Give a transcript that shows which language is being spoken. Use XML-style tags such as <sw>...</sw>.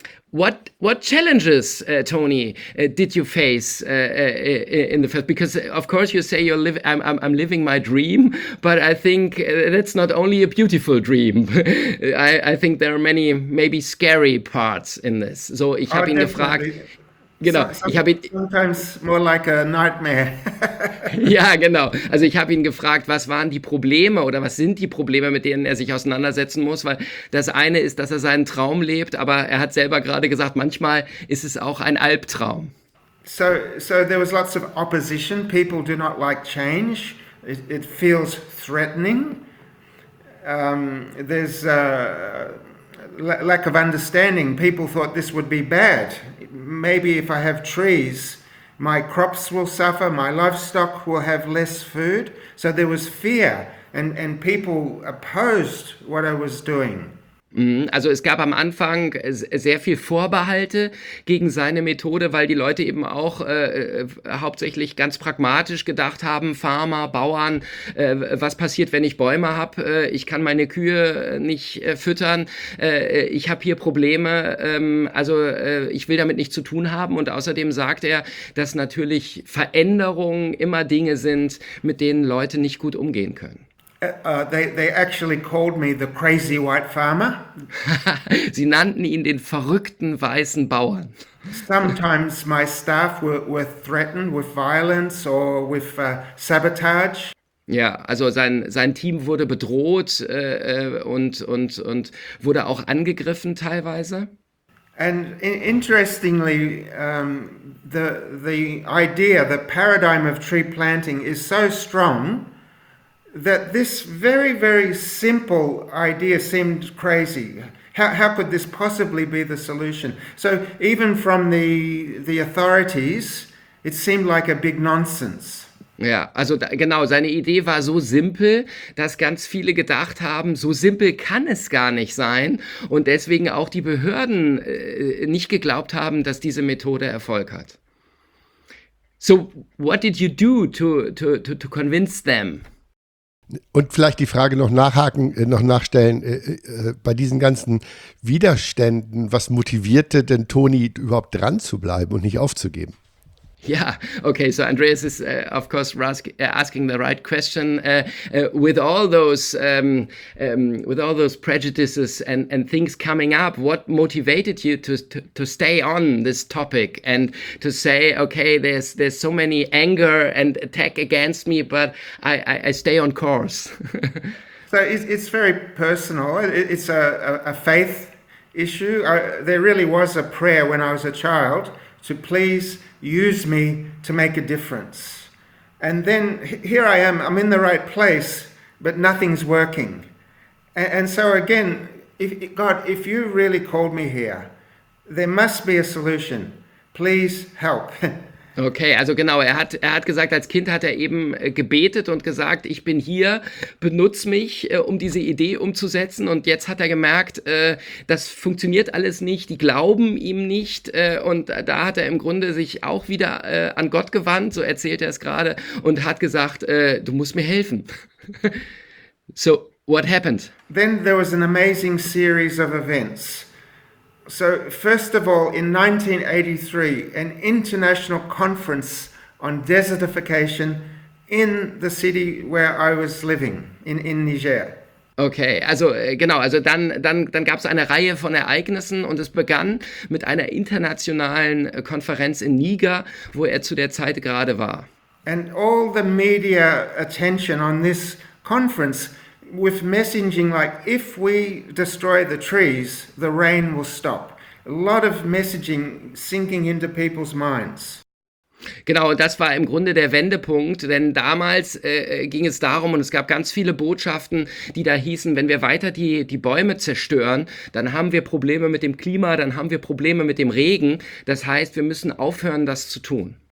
<en>What challenges, Tony, did you face in the first? Because of course you say I'm living my dream, but I think that's not only a beautiful dream. I think there are many maybe scary parts in this.</en> <de>So ich habe ihn gefragt. Genau, ich habe ihn.</de> <en>Sometimes more like a nightmare.</en> <de>Ja, genau. Also ich habe ihn gefragt, was waren die Probleme oder was sind die Probleme, mit denen er sich auseinandersetzen muss, weil das eine ist, dass er seinen Traum lebt, aber er hat selber gerade gesagt, manchmal ist es auch ein Albtraum.</de> <en>So there was lots of opposition. People do not like change. It feels threatening. There's a lack of understanding. People thought this would be bad. Maybe if I have trees, my crops will suffer, my livestock will have less food. So there was fear and people opposed what I was doing.</en> <de>Also es gab am Anfang sehr viel Vorbehalte gegen seine Methode, weil die Leute eben auch hauptsächlich ganz pragmatisch gedacht haben, Farmer, Bauern, was passiert, wenn ich Bäume habe? Ich kann meine Kühe nicht füttern, ich habe hier Probleme, ich will damit nichts zu tun haben. Und außerdem sagt er, dass natürlich Veränderungen immer Dinge sind, mit denen Leute nicht gut umgehen können.</de> <en>They actually called me the crazy white farmer.</en> <de>Sie nannten ihn den verrückten weißen Bauern.</de> <en>Sometimes my staff were threatened with violence or with sabotage.</en> <de>Ja, also sein Team wurde bedroht und wurde auch angegriffen teilweise.</de> <en>And interestingly, the idea, the paradigm of tree planting is so strong that this very, very simple idea seemed crazy. How could this possibly be the solution? So even from the authorities, it seemed like a big nonsense.</en> <de>Ja, also da, genau, seine Idee war so simpel, dass ganz viele gedacht haben, so simpel kann es gar nicht sein und deswegen auch die Behörden nicht geglaubt haben, dass diese Methode Erfolg hat.</de> <en>So what did you do to convince them?</en> <de>Und vielleicht die Frage noch nachhaken, noch nachstellen, bei diesen ganzen Widerständen, was motivierte denn Tony überhaupt dran zu bleiben und nicht aufzugeben?</de> <en>Yeah, okay, so Andreas is of course asking the right question. With all those prejudices and things coming up, what motivated you to stay on this topic and to say, okay, there's so many anger and attack against me, but I stay on course? So it's very personal. It's a faith issue. There really was a prayer when I was a child to please use me to make a difference. And then here I am, I'm in the right place, but nothing's working. And so again, if you really called me here, there must be a solution. Please help.</en> <de>Okay, also genau, er hat gesagt, als Kind hat er eben gebetet und gesagt, ich bin hier, benutz mich, um diese Idee umzusetzen. Und jetzt hat er gemerkt, das funktioniert alles nicht, die glauben ihm nicht. Und da hat er im Grunde sich auch wieder an Gott gewandt, so erzählt er es gerade, und hat gesagt, du musst mir helfen.</de> <en>So, what happened? Then there was an amazing series of events. So first of all, in 1983, an international conference on desertification in the city where I was living, in Niger.</en> <de>Okay, also genau, also dann gab es eine Reihe von Ereignissen und es begann mit einer internationalen Konferenz in Niger, wo er zu der Zeit gerade war.</de> <en>And all the media attention on this conference with messaging like, if we destroy the trees, the rain will stop. A lot of messaging sinking into people's minds.</en> <de>Genau, das war im Grunde der Wendepunkt, denn damals ging es darum und es gab ganz viele Botschaften, die da hießen, wenn wir weiter die Bäume zerstören, dann haben wir Probleme mit dem Klima, dann haben wir Probleme mit dem Regen. Das heißt, wir müssen aufhören, das zu tun.</de>